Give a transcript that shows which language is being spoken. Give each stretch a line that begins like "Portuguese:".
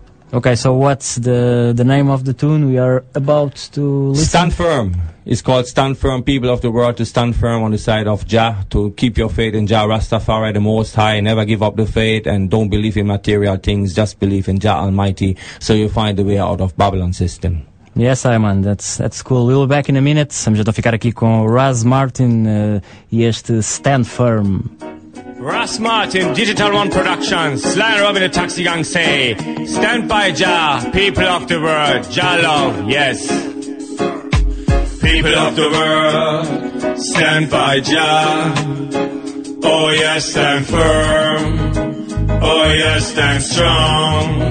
English: Okay, so what's the name of the tune we are about to listen? Stand Firm. It's called Stand Firm, people of the world, to stand firm on the side of Jah, to keep your faith in Jah Rastafari, the Most High, never give up the faith and don't believe in material things, just believe in Jah Almighty so you find the way out of Babylon system. Yes, Ayman, that's cool. We'll be back in a minute.
Portuguese: Vamos então ficar aqui com Raz Martin e este Stand Firm.
English: Raz Martin, Digital One Productions, Sly and Robbie the Taxi Gang say, stand by Jah, people of the world, Jah love, yes. People of the world, stand by Jah. Oh yes, stand firm. Oh yes, stand strong.